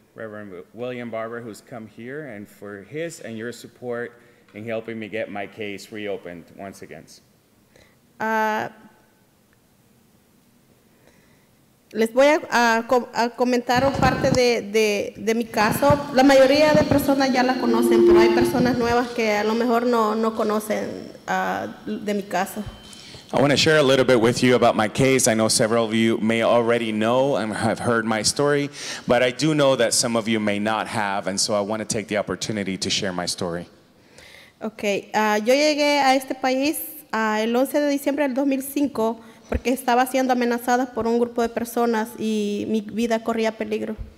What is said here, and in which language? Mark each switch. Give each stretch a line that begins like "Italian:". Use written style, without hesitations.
English: Reverend William Barber, who's come here, and for his and your support in helping me get my case reopened once again.
Spanish: Les voy a comentar parte de mi caso. La mayoría de personas ya la conocen, pero hay personas nuevas que a lo mejor no conocen de mi caso.
English: I want to share a little bit with you about my case. I know several of you may already know and have heard my story, but I do know that some of you may not have, and so I want to take the opportunity to share my story. Okay.
Spanish: Yo llegué a este país el 11 de diciembre del 2005 porque estaba siendo amenazada por un grupo de personas y mi vida corría peligro.